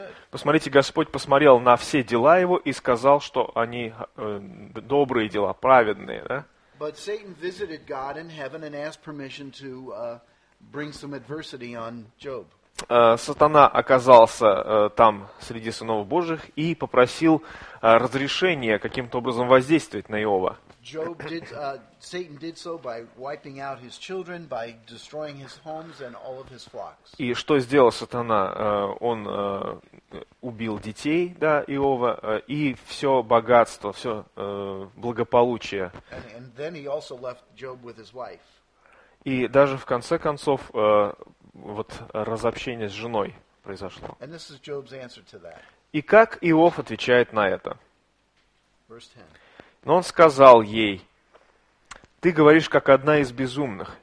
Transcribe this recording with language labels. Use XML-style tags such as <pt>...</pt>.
<ru>Посмотрите, Господь посмотрел на все дела его и сказал, что они добрые дела, праведные. Да?</ru> <en>But Satan visited God in heaven and asked permission to bring some adversity on Job.</en> <ru>Сатана оказался там среди сынов Божьих и попросил разрешения каким-то образом воздействовать на Иова.</ru> <en>Satan did so by wiping out his children, by destroying his homes and all of his flocks.</en> <ru>И что сделал Сатана? Он убил детей, да, Иова, и все богатство, все благополучие.</ru> <en>And then he also left Job with his wife.</en> <ru>И даже в конце концов вот разобщение с женой произошло.</ru> <en>And this is Job's answer to that.</en> <ru>И как Иов отвечает на это? Но он сказал ей: «Ты говоришь, как одна из безумных.</ru>